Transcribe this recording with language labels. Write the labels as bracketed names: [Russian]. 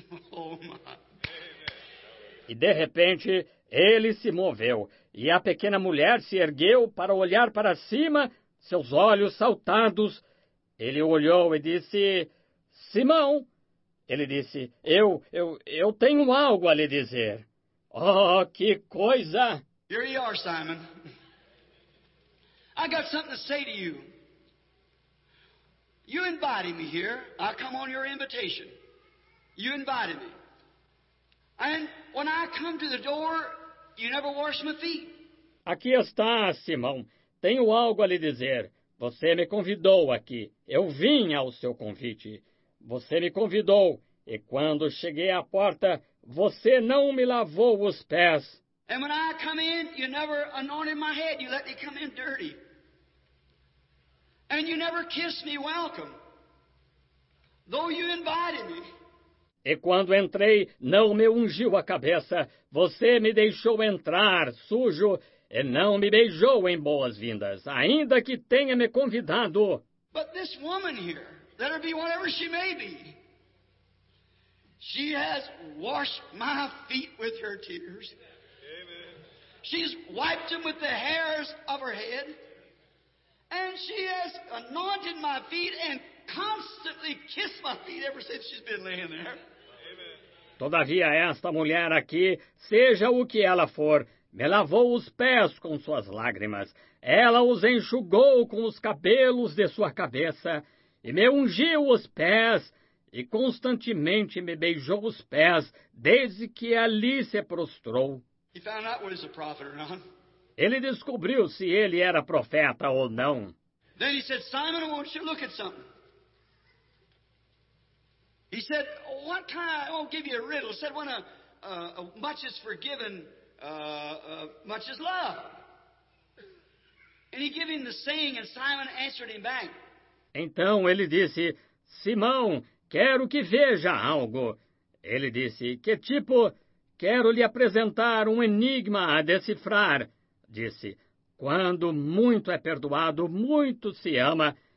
[English] Oh, my. [Portuguese] E de repente, ele se moveu, e a pequena mulher se ergueu para olhar para cima, seus olhos saltados. Ele olhou e disse, Simão. Ele disse, eu tenho algo a lhe dizer. Oh, que coisa! [English] Here you are, Simon. I got something to say to you. You invited me here. I come on your invitation. You invited me. And when I come to the door, you never wash my feet. [Portuguese] Aqui está, Simão. Tenho algo a lhe dizer. Você me convidou aqui. Eu vim ao seu convite. Você me convidou. E quando cheguei à porta, você não me lavou os pés. [English] And when I come in, you never anointed my head. You let me come in dirty. And you never kissed me welcome, though you invited me. [Portuguese] E quando entrei, não me ungiu a cabeça. Você me deixou entrar sujo e não me beijou em boas-vindas, ainda que tenha me convidado. [English] But this woman here, let her be whatever she may be, she has washed my feet with her tears. Amen. She's wiped them with the hairs of her head. And she has anointed my feet and constantly kissed my feet ever since she's been laying there. Amen. [Portuguese] Todavia, esta mulher aqui, seja o que ela for, me lavou os pés com suas lágrimas. Ela os enxugou com os cabelos de sua cabeça e me ungiu os pés e constantemente me beijou os pés desde que ali se prostrou. [English] He found out what is a prophet or not. [Portuguese] Ele descobriu se ele era profeta ou não. [English] Then he said, Simon, I want you to look at something. He said, what kind, I won't give you a riddle. He said, when much is forgiven, much is loved. And he gave him the saying, and Simon answered him back. [Portuguese] Então ele disse, Simão, quero que veja algo. Ele disse, que tipo, quero lhe apresentar um enigma a decifrar. Disse, quando muito é perdoado, muito se ama.